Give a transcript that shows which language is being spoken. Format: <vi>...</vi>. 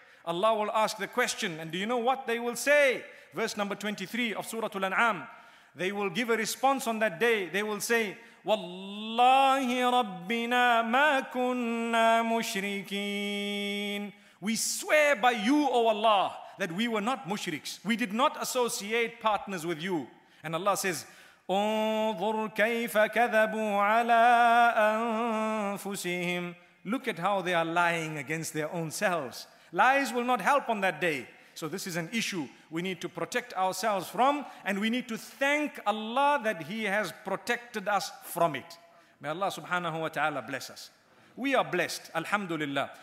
<en>Allah will ask the question. And do you know what they will say? Verse number 23 of Suratul An'am. They will give a response on that day. They will say,</en> <ar>Wallahi Rabbina ma kunna mushrikeen.</ar> <en>We swear by you, O Allah, that we were not mushriks. We did not associate partners with you.</en> <ar>And Allah says, انظر كيف كذبوا على أنفسهم.</ar> <en>Look at how they are lying against their own selves. Lies will not help on that day. So this is an issue we need to protect ourselves from, and we need to thank Allah that He has protected us from it. May Allah subhanahu wa ta'ala bless us. We are blessed, alhamdulillah.</en>